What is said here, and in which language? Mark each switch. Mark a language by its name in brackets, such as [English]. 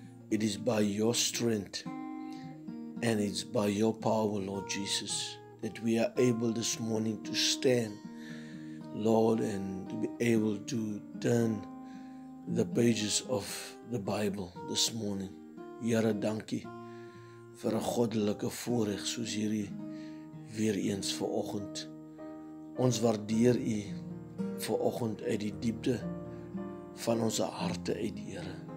[English] It is by your strength, and it's by your power, Lord Jesus, that we are able this morning to stand, Lord, and to be able to turn the pages of the Bible this morning. [Afrikaans] Here, dankie vir 'n goddelike voorreg soos hierdie weer eens vanoggend. Ons waardeer u vanoggend uit die diepte van ons harte uit, Here.